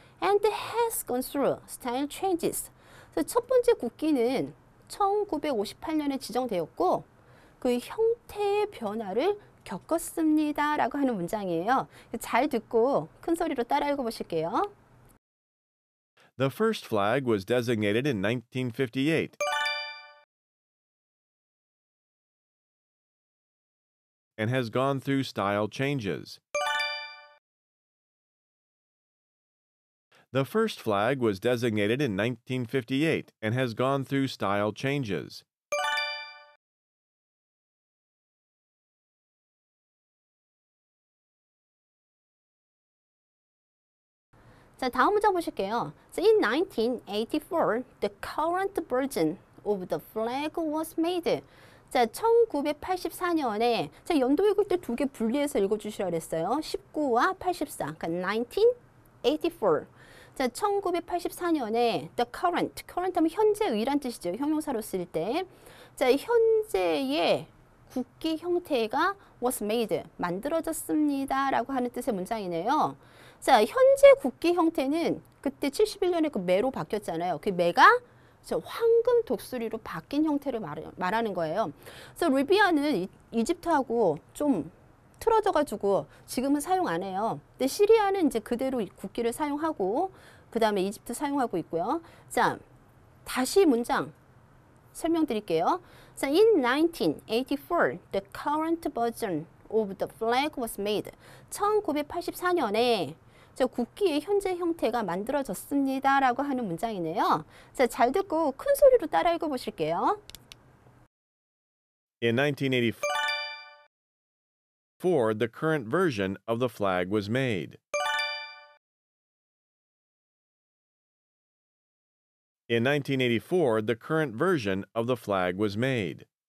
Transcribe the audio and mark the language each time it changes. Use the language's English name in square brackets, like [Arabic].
[English] And has gone through style changes. [Korean] 그래서 첫 번째 국기는 1958년에 지정되었고 그 형태의 변화를 겪었습니다 라고 하는 문장이에요. 잘 듣고 큰 소리로 따라 읽어보실게요. [English] The first flag was designated in 1958 and has gone through style changes. The first flag was designated in 1958 and has gone through style changes. [Korean] So, 다음 문장 보실게요. [English] So, in 1984, the current version of the flag was made. [Korean] 자, 1984년에 자, 연도 읽을 때 두 개 분리해서 읽어 주시라 그랬어요. 19와 84. 그러니까 1984. 자, 1984년에 [English] the current [Korean] 하면 현재의란 뜻이죠. 형용사로 쓸 때. 자, 현재의 국기 형태가 [English] was made, [Korean] 만들어졌습니다 라고 하는 뜻의 문장이네요. 자, 현재 국기 형태는 그때 71년에 그 매로 바뀌었잖아요. 그 매가 황금 독수리로 바뀐 형태를 말하는 거예요. 그래서 리비아는 이집트하고 좀 틀어져가지고 지금은 사용 안 해요. 근데 시리아는 이제 그대로 국기를 사용하고 그 다음에 이집트 사용하고 있고요. 자, 다시 문장 설명드릴게요. [English] 자, in 1984, the current version of the flag was made. [Korean] 1984년에 저 국기의 현재 형태가 만들어졌습니다 라고 하는 문장이네요. 자, 잘 듣고 큰 소리로 따라 읽어보실게요. [English] In 1984, For the current version of the flag was made. In 1984, the current version of the flag was made.